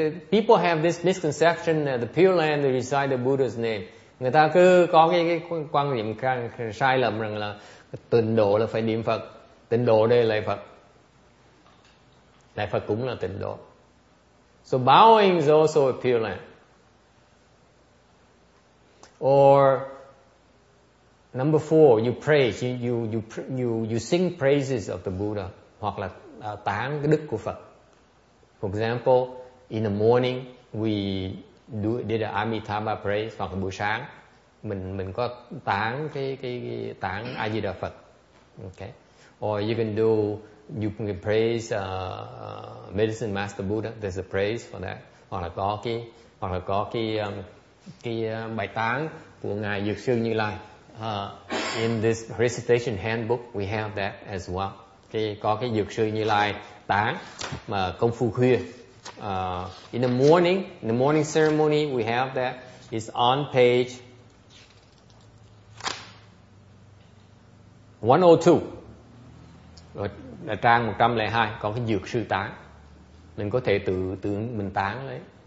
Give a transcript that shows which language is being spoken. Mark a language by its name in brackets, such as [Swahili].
[English] People have this misconception that the Pure Land they recite the Buddha's name. [Vietnamese] Người ta cứ có cái quan niệm sai lầm rằng là tịnh độ là phải niệm Phật, tịnh độ đây là lại Phật. Lại Phật cũng là tịnh độ. [English] So bowing is also a pure land. Or number four, you praise, you sing praises of the Buddha [Vietnamese] hoặc là tán cái đức của Phật. [English] For example, in the morning we did an Amitabha praise [Vietnamese] hoặc là buổi sáng. Mình có tán cái tán A Di Đà Phật. [English] Okay. Or you can praise Medicine Master Buddha, there's a praise for that. [Vietnamese] Hoặc là có cái bài tán của Ngài Dược Sư Như Lai. [English] In this recitation handbook we have that as well. [Vietnamese] Có cái Dược Sư Như Lai tán mà công phu khuya. [English] In the morning ceremony we have that. It's on page 102. [Vietnamese] Rồi là trang 102 có cái dược sư tán. Mình có thể tự mình tán đấy.